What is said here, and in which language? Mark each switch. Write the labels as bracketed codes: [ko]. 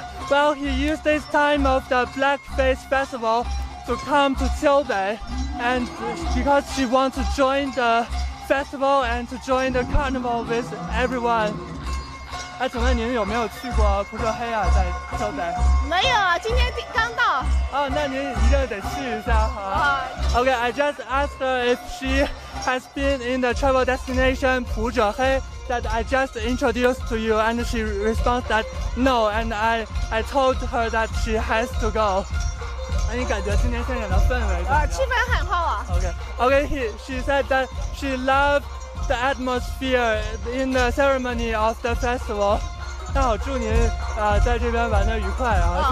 [en] Well, he used this time of the Blackface Festival to come to Qiubei, and because she wants to join the festival and to join the carnival with everyone. [zh] 哎，请问您有没有去过扑克黑啊？在Qiubei？没有啊，今天刚到。哦，那您一定得去一下哈。 [en] Okay, I just asked her if she has been in the travel destination 扑克黑that I just introduced to you, and she responds that no, and I told her that she has to go. [zh] 那你感觉今天现场的氛围怎么样？气氛很好啊。 [en] Okay, she said that she loved the atmosphere in the ceremony of the festival. [zh] 那好，祝您在这边玩得愉快啊！